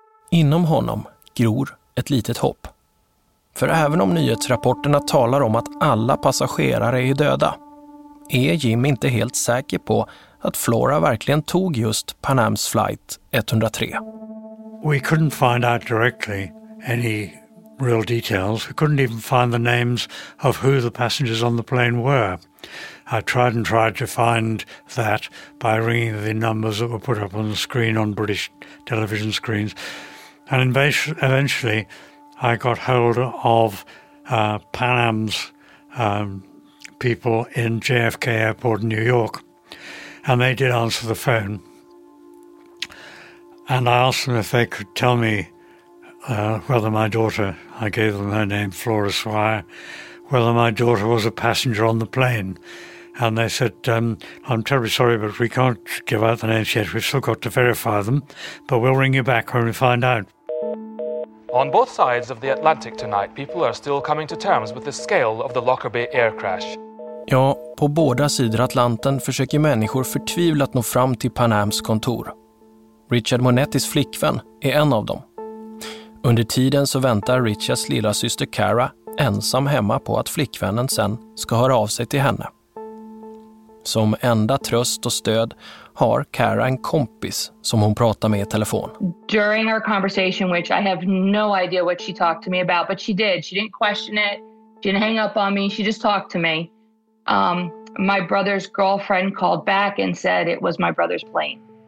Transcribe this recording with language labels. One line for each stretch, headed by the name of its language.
Swedish: Inom honom gror ett litet hopp. För även om nyhetsrapporterna talar om att alla passagerare är döda, är Jim inte helt säker på att Flora verkligen tog just Pan Am's flight 103.
English: We couldn't find out directly any real details. We couldn't even find the names of who the passengers on the plane were. I tried and tried to find that by ringing the numbers that were put up on the screen on British television screens. And eventually I got hold of Pan Am's people in JFK Airport in New York, and they did answer the phone. And I asked them if they could tell me whether my daughter, I gave them her name, Flora Swire, whether my daughter was a passenger on the plane. And they said, I'm terribly sorry, but we can't give out the names yet. We've still got to verify them, but we'll ring you back when we find out. On both sides of the Atlantic tonight, people are still coming to terms with the scale of the Lockerbie air crash.
Swedish: Ja, på båda sidor Atlanten försöker människor förtvivlat nå fram till Pan Am's kontor. Richard Monettis flickvän är en av dem. Under tiden så väntar Richards lilla syster Kara ensam hemma på att flickvännen sen ska höra av sig till henne. Som enda tröst och stöd har Kara en kompis som hon pratar med i telefon.
English: During our conversation, which I have no idea what she talked to me about, but she did. She didn't question it. She didn't hang up on me. She just talked to me. My brother's girlfriend called back and said it was my brother's plane.